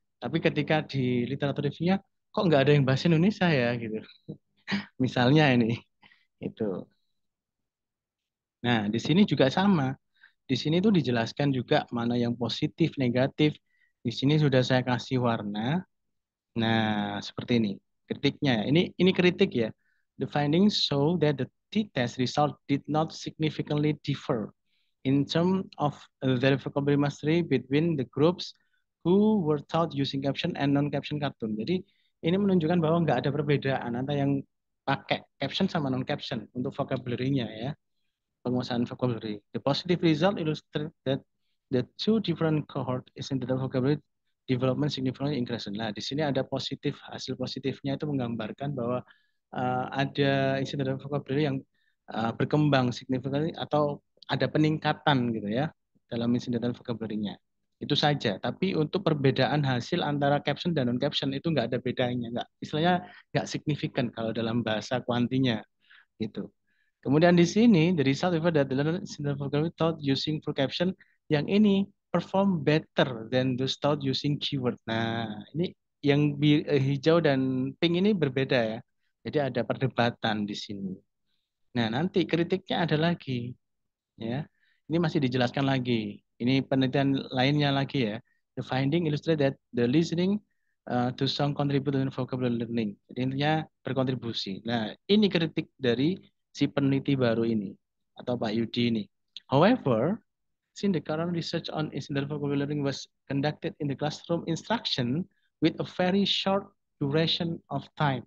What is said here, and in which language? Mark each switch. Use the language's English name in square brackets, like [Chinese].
[Indonesian] Tapi ketika di literature reviewnya, kok nggak ada yang bahas Indonesia ya gitu. Misalnya ini. Itu. Nah, di sini juga sama. Di sini tuh dijelaskan juga mana yang positif, negatif. Di sini sudah saya kasih warna. Nah, seperti ini. Kritiknya. Ini kritik ya. [English] The findings show that the t-test result did not significantly differ in terms of the vocabulary mastery between the groups who were taught using caption and non-caption cartoon. [Indonesian] Jadi, ini menunjukkan bahwa nggak ada perbedaan antara yang pakai caption sama non-caption untuk vocabulary-nya ya. Penguasaan vocabulary. [English] The positive result illustrates that the two different cohort is in the vocabulary development significantly increased. [Indonesian] Nah, di sini ada positif, hasil positifnya itu menggambarkan bahwa ada incidental vocabulary yang berkembang signifikan atau ada peningkatan gitu ya dalam incidental vocabulary-nya. Itu saja. Tapi untuk perbedaan hasil antara caption dan non-caption itu nggak ada bedanya, nggak, istilahnya nggak signifikan kalau dalam bahasa kuantinya gitu. Kemudian di sini [English] the result of that the learner incidental vocabulary taught using full caption [Indonesian] yang ini [English] perform better than the taught using keyword. [Indonesian] Nah, ini yang hijau dan pink ini berbeda ya. Jadi ada perdebatan di sini. Nah, nanti kritiknya ada lagi. Ya. Ini masih dijelaskan lagi. Ini penelitian lainnya lagi ya. [English] The finding illustrate that the listening to song contribute to vocabulary learning. [Indonesian] Jadi intinya berkontribusi. Nah, ini kritik dari si peneliti baru ini atau Pak Yudi ini. [English] However, since the current research on incidental vocabulary learning was conducted in the classroom instruction with a very short duration of time.